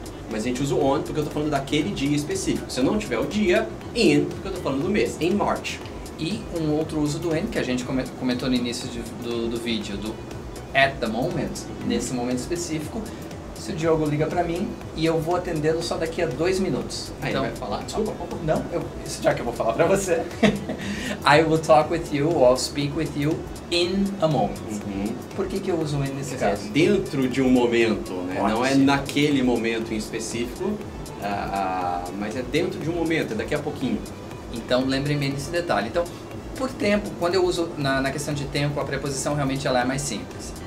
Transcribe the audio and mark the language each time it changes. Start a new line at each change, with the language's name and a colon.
Portuguese: Mas a gente usa o on porque eu tô falando daquele dia específico. Se eu não tiver o dia, in, porque eu tô falando do mês, in March. E um outro uso do in, que a gente comentou no início do vídeo, do at the moment, nesse momento específico, se o Diogo liga pra mim e eu vou atendê-lo só daqui a 2 minutes. Aí então, ele vai falar, desculpa. Não, já que eu vou falar pra você.
English: I will talk with you, or I'll speak with you in a moment.
Portuguese: Por que eu uso o in nesse caso? Dentro de um momento, né? Não é naquele momento em específico, mas é dentro de um momento, é daqui a pouquinho. Então, lembrem bem desse detalhe. Então, por tempo, quando eu uso na questão de tempo, a preposição realmente ela é mais simples.